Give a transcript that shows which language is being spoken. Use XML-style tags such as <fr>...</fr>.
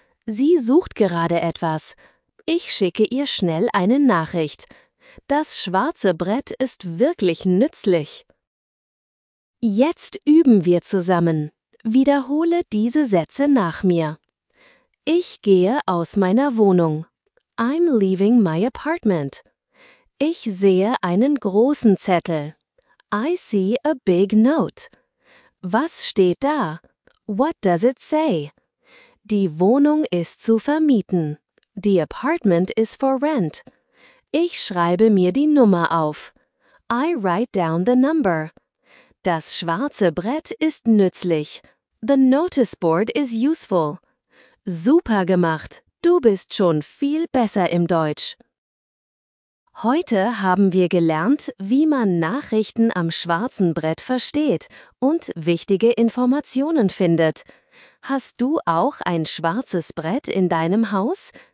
<de>Sie sucht gerade etwas. Ich schicke ihr schnell eine Nachricht. Das schwarze Brett ist wirklich nützlich. Jetzt üben wir zusammen. Wiederhole diese Sätze nach mir. Ich gehe aus meiner Wohnung.</de> <en>I'm leaving my apartment.</en> <de>Ich sehe einen großen Zettel.</de> <en>I see a big note.</en> <de>Was steht da?</de> <en>What does it say?</en> <de>Die Wohnung ist zu vermieten.</de> <en>The apartment is for rent.</en> <de>Ich schreibe mir die Nummer auf.</de> <en>I write down the number.</en> <de>Das schwarze Brett ist nützlich.</de> <en>The notice board is useful.</en> <de>Super gemacht. Du bist schon viel besser im Deutsch. Heute haben wir gelernt, wie man Nachrichten am schwarzen Brett versteht und wichtige Informationen findet. Hast du auch ein schwarzes Brett in deinem Haus?</de>